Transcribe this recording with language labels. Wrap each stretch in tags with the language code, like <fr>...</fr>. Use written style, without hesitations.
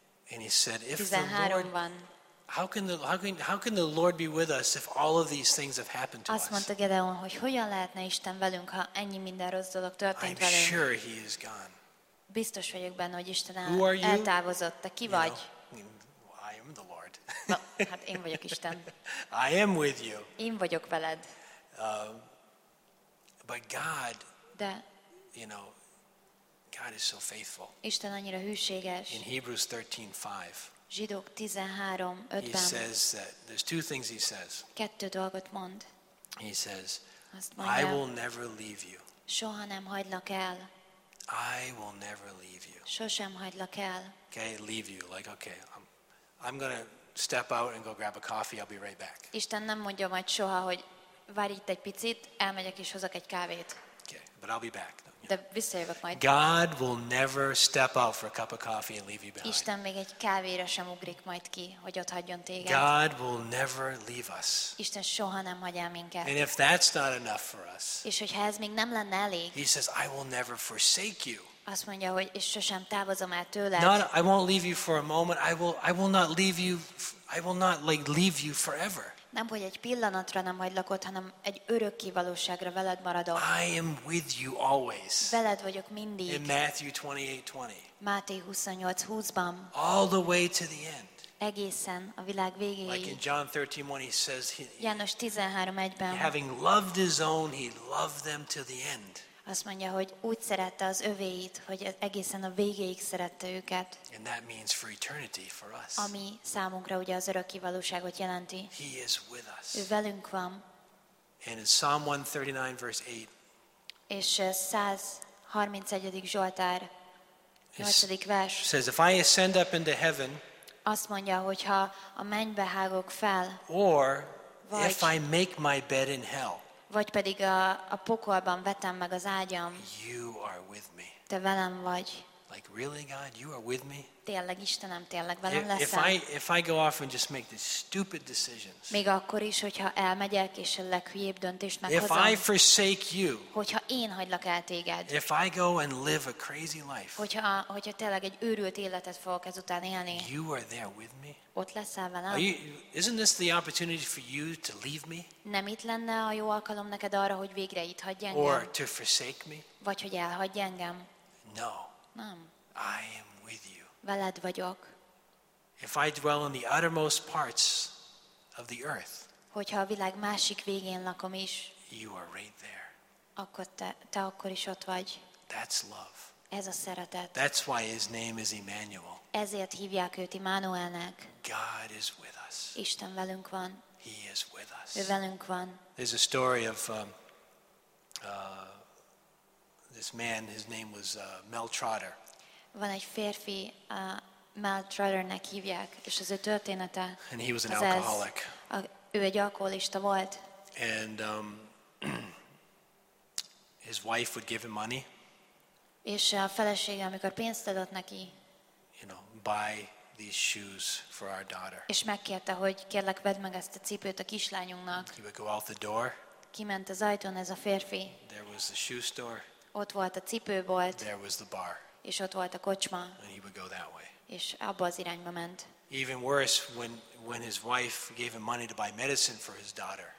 <en>And he said, if the Lord, how can the Lord be with us if all of these things have happened to us?</en> <hu>Azt mondta Gedeon, hogy hogyan lehetne Isten velünk, ha ennyi minden rossz dolog történt velünk?</hu> <en>I'm sure he is gone.</en> <hu>Biztos vagyok benne, hogy Isten eltávozott. Te ki vagy?</hu> <en>I am the Lord.</en> <hu>Hát én vagyok Isten.</hu> <en>I am with you.</en> <hu>Én vagyok veled.</hu> <en>But God,</en> <hu>de,</hu> <en>you know, God is so faithful.</en> <hu>Isten annyira hűséges.</hu> <en>In Hebrews 13:5.</en> <hu>Zsidók 13:5-ben.</hu> <en>He says that there's two things he says.</en> <hu>Kettő dolgot mond.</hu> <en>He says,</en> <hu>mondja,</hu> <en>I will never leave you.</en> <hu>Soha nem hagylak el.</hu> <en>I will never leave you.</en> <hu>Sosem hagylak el.</hu> <en>Okay, leave you. Like, okay, I'm gonna step out and go grab a coffee. I'll be right back.</en> <hu>Isten nem mondja majd soha, hogy várj itt egy picit, elmegyek és hozok egy kávét.</hu> <en>Okay, but I'll be back.</en> <hu>De visszajövök majd.</hu> <en>God will never step out for a cup of coffee and leave you behind.</en> <hu>Isten még egy kávéra sem ugrik majd ki, hogy ott hagyjon téged.</hu> <en>God will never leave us.</en> <hu>Isten soha nem hagy el minket.</hu> <en>And if that's not enough for us.</en> <hu>És hogyha ez még nem lenne elég.</hu> <en>He says, I will never forsake you.</en> <hu>Azt mondja, hogy és sosem távozom el tőled.</hu> <en>No, I won't leave you for a moment. I will not leave you forever.</en> <hu>Nem hogy egy pillanatra nem hagylak ott, hanem egy örökké valóságra veled maradok.</hu> <en>I am with you always.</en> <hu>Veled vagyok mindig.</hu> <en>In Matthew 28:20.</en> <hu>Máté 28:20-ban.</hu> <en>All the way to the end.</en> <hu>Egészen a világ végéig.</hu> <en>Like in John 13:1 he says,</en> <hu>János 13:1-ben.</hu> <en>Having loved his own, he loved them to the end.</en> <hu>Azt mondja, hogy úgy szerette az övéit, hogy egészen a végéig szerette őket.</hu> <en>And that means for eternity for us.</en> <hu>Ami számunkra ugye az örökké valóságot jelenti.</hu> <en>He is with us.</en> <hu>Ő velünk van.</hu> <en>And in Psalm 139 verse 8.</en> <hu>És 131. Zsoltár 8. vers.</hu> <en>Says if I ascend up into heaven.</en> <hu>Azt mondja, hogyha a mennybe hágok fel.</hu> <en>Or if I make my bed in hell.</en> <hu>Vagy pedig a pokolban vetem meg az ágyam.</hu> <en>You are with me.</en> <hu>Te velem vagy.</hu> <en>Like really God, you are with me?</en> <hu>Tényleg Istenem, tényleg velem leszel.</hu> <en>If I go off and just make these stupid decisions.</en> <hu>Még akkor is, hogyha elmegyek és a leghülyébb döntést meghozom.</hu> <en>If I forsake you.</en> <hu>Hogyha én hagylak el téged.</hu> <en>If I go and live a crazy life.</en> <hu>Hogyha tényleg egy őrült életet fogok ezután élni.</hu> <en>You are there with me.</en> <hu>Ott leszel velem.</hu> <en>Isn't this the opportunity for you to leave me?</en> <hu>Nem itt lenne a jó alkalom neked arra, hogy végre itt hagyj engem?</hu> <en>Or to forsake me?</en> <hu>Vagy hogy elhagyj engem?</hu> <en>No.</en> <hu>Nem.</hu> <en>I am with you.</en> <hu>Veled vagyok.</hu> <en>If I dwell in the uttermost parts of the earth.</en> <hu>Hogyha a világ másik végén lakom is.</hu> <en>You are right there.</en> <hu>Akkor te akkor is ott vagy.</hu> <en>That's love.</en> <hu>Ez a szeretet.</hu> <en>That's why his name is Emmanuel.</en> <hu>Ezért hívják őt Immanuelnek.</hu> <en>God is with us.</en> <hu>Isten velünk van.</hu> <en>He is with us.</en> <hu>Ő velünk van.</hu> <en>There's a story of this man, his name was Mel Trotter.</en> <hu>Van egy férfi, Mel Trotternek hívják, és az ő története.</hu> <en>And he was an alcoholic.</en> <hu>Ő egy alkoholista volt.</hu> <en>And his wife would give him money.</en> <hu>És a felesége, amikor pénzt adott neki.</hu> <en>You know, buy these shoes for our daughter.</en> <hu>És megkérte, hogy kérlek vedd meg ezt a cipőt a kislányunknak.</hu> <en>He would go out the door.</en> <hu>Kiment az ajtón ez a férfi.</hu> <en>There was the shoe store.</en> <hu>Ott volt a cipőbolt.</hu> <en>There was the bar.</en> <hu>És ott volt a kocsma.</hu> <en>And he would go that way.</en> <hu>És abba az irányba ment.</hu> <en>Even worse, when his wife gave him money to buy medicine for his daughter.</en>